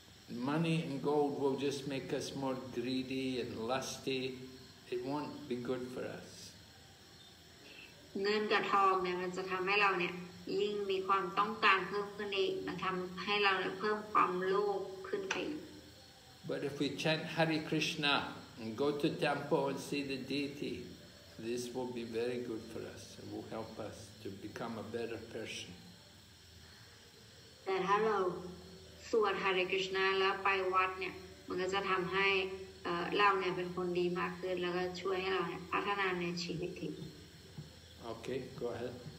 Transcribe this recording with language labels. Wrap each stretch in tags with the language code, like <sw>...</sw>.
<en>money and gold will just make us more greedy and lusty. It won't be good for us.</en> <th>เงินกับทองเนี่ยมันจะทำให้เราเนี่ยยิ่งมีความต้องการเพิ่มขึ้นอีกมันทำให้เราเนี่ยเพิ่มความโลภขึ้นไป</th> <en>But if we chant Hare Krishna and go to temple and see the deity, this will be very good for us. It will help us to become a better person.</en> <th>แต่ถ้าเราสวด Hare Krishna แล้วไปวัดเนี่ยมันก็จะทำให้เราเนี่ยเป็นคนดีมากขึ้นแล้วก็ช่วยให้เราพัฒนาในชีวิตที่</th> <en>Okay, go ahead.</en>